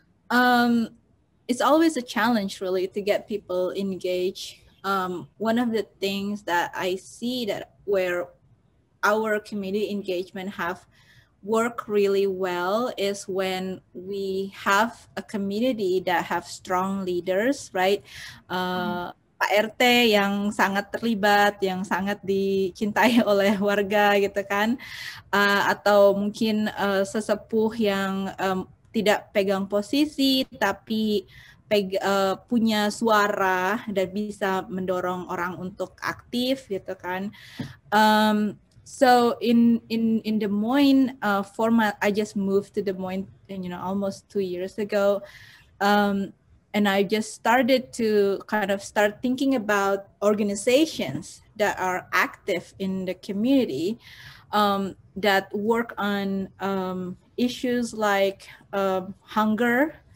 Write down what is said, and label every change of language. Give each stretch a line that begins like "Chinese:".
English: It's always a challenge really to get people engaged. One of the things that I see that where our community engagement have work really well is when we have a community that have strong leaders, right?
Indonesian: Pak RT yang sangat terlibat, yang sangat dicintai oleh warga gitu kan, atau mungkin sesepuh yang tidak pegang posisi tapi punya suara dan bisa mendorong orang untuk aktif gitu kan.
English: So in Des Moines, format, I just moved to Des Moines, you know, almost 2 years ago, and I just started to kind of start thinking about organizations that are active in the community, that work on issues like hunger.